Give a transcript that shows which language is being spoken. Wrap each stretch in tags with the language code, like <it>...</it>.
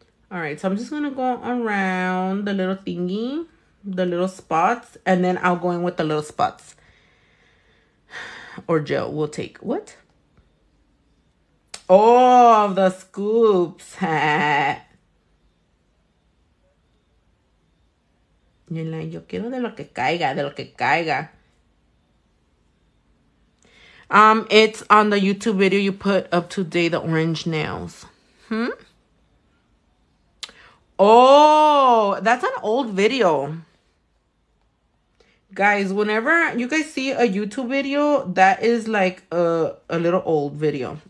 <en>All right, so I'm just gonna go around the little thingy, the little spots, and then I'll go in with the little spots or gel. We'll take what? Oh, the scoops. You're like,</en> <es>yo quiero de lo que caiga, de lo que caiga.</es> <en>It's on the YouTube video you put up today, the orange nails. Oh, that's an old video. Guys, whenever you guys see a YouTube video, that is like a little old video.</en>